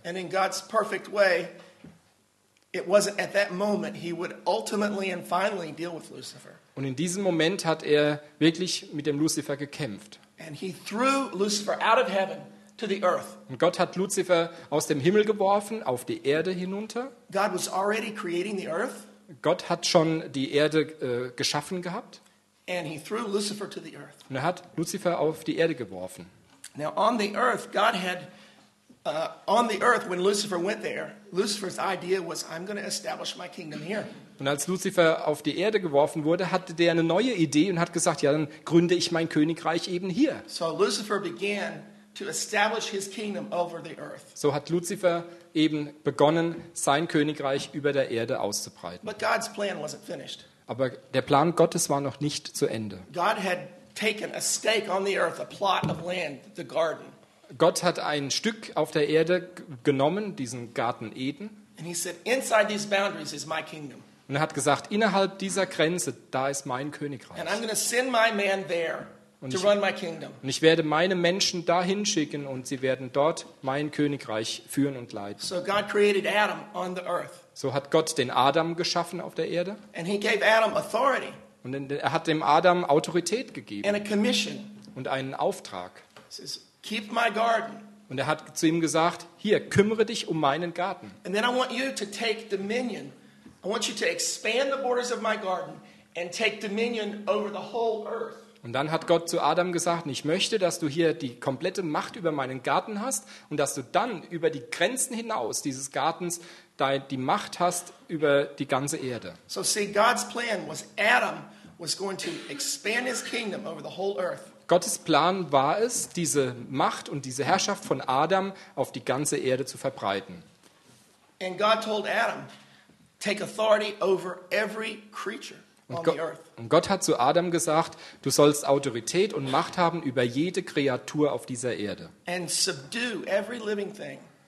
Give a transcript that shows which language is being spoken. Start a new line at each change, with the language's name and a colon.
English: And in God's perfect way, it wasn't at that moment he would ultimately and finally deal with Lucifer.
German: Und in diesem Moment hat er wirklich mit dem Lucifer gekämpft.
English: And he threw Lucifer out of heaven. To the earth.
German: Und Gott hat Luzifer aus dem Himmel geworfen, auf die Erde hinunter.
English: God was already creating the earth.
German: Gott hat schon die Erde geschaffen gehabt.
English: And he threw Lucifer to the earth.
German: Und er hat Luzifer auf die Erde geworfen.
English: Now on the earth, God had on the earth when Lucifer went there. Lucifer's idea was, I'm going to establish my kingdom here.
German: Und als Luzifer auf die Erde geworfen wurde, hatte der eine neue Idee und hat gesagt, ja, dann gründe ich mein Königreich eben hier.
English: So Lucifer began. To establish his kingdom over the earth.
German: So hat Luzifer eben begonnen, sein Königreich über der Erde auszubreiten.
English: But God's plan wasn't finished.
German: Aber der Plan Gottes war noch nicht zu Ende.
English: God had taken a stake on the earth, a plot of land, the garden.
German: Gott hat ein Stück auf der Erde genommen, diesen Garten Eden.
English: And he said, inside these boundaries is my kingdom.
German: Und er hat gesagt, innerhalb dieser Grenze, da ist mein Königreich.
English: And I'm going to send my man there.
German: Und ich werde meine Menschen dahin schicken und sie werden dort mein Königreich führen und leiten.
English: So, God created Adam on the earth.
German: So hat Gott den Adam geschaffen auf der Erde.
English: And he gave Adam authority.
German: Und er hat dem Adam Autorität gegeben.
English: And a commission.
German: Und einen Auftrag.
English: He says, keep my garden.
German: Und er hat zu ihm gesagt, hier, kümmere dich um meinen Garten.
English: And then I want you to take dominion. I want you to expand the borders of my garden and take dominion over the whole earth.
German: Und dann hat Gott zu Adam gesagt, ich möchte, dass du hier die komplette Macht über meinen Garten hast und dass du dann über die Grenzen hinaus dieses Gartens die Macht hast über die ganze Erde.
English: So see, God's plan was Adam was going to expand his kingdom over the whole earth.
German: Gottes Plan war es, diese Macht und diese Herrschaft von Adam auf die ganze Erde zu verbreiten.
English: And God told Adam, take authority over every creature on the earth.
German: Und Gott hat zu Adam gesagt, du sollst Autorität und Macht haben über jede Kreatur auf dieser Erde.
English: And subdue every living thing.